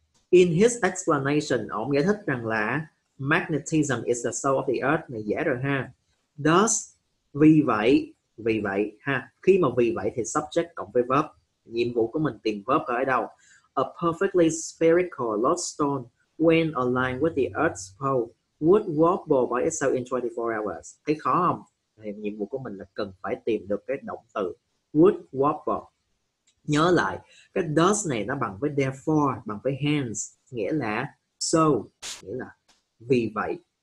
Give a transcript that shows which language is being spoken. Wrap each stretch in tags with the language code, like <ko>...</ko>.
<en>In his explanation,</en> <vi>ông giải thích rằng là</vi> <en>magnetism is the soul of the earth,</en> <vi>này dễ rồi ha. Thus, vì vậy ha, khi mà vì vậy thì subject cộng với verb, nhiệm vụ của mình tìm verb ở đâu.</vi> <en>A perfectly spherical lodestone when aligned with the Earth's pole would wobble by itself in 24 hours.</en> <vi>Thấy khó không? Thì nhiệm vụ của mình là cần phải tìm được cái động từ</vi> <en>would wobble.</en> <vi>Nhớ lại, cái does này nó bằng với therefore, bằng với hence, nghĩa là so, nghĩa là vì vậy.</vi>